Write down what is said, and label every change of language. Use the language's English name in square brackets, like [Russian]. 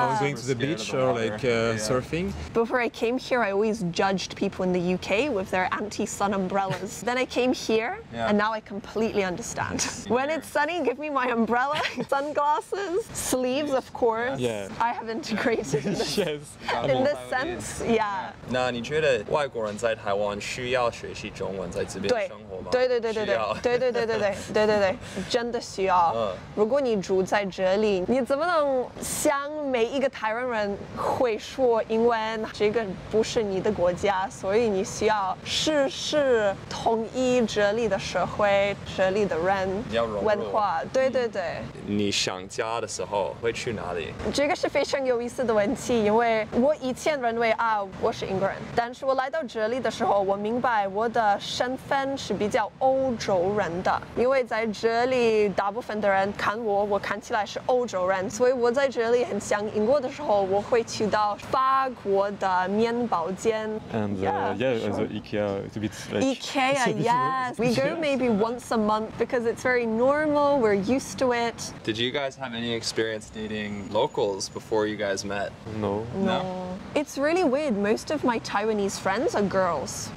[English] I was going to the beach or like surfing. Before I came here, I always judged people in the UK with their anti-sun umbrellas. Then I came here and now I completely understand. When it's sunny, give me my umbrella, sunglasses, sleeves, of course. Yeah. I have integrated this. Yes. In this sense, yeah. [Chinese] 那你觉得外国人在台湾需要学习中文在这边生活吗？对对对对对对对对对对对对对，真的需要。如果你住在这里，你怎么能像每一个台湾人会说英文，这个不是你的国家，所以你需要试试统一这里的社会，这里的人文化。对对对。你想家的时候会去哪里？这个是非常有意思的问题，因为我以前认为啊，我是英国人，但是我来到这里的时候，我明白我的身份是比较欧洲人的，因为在这里大部分的人看我，我看起来是欧洲人，所以我在在这里很想英国的时候，我会去到法国的面包间。 [English] And IKEA, it's a bit like... IKEA, yes. We go maybe once a month because it's very normal. We're used to it. Did you guys have any experience dating locals before you guys met? No. It's really weird. Most of my Taiwanese friends are girls.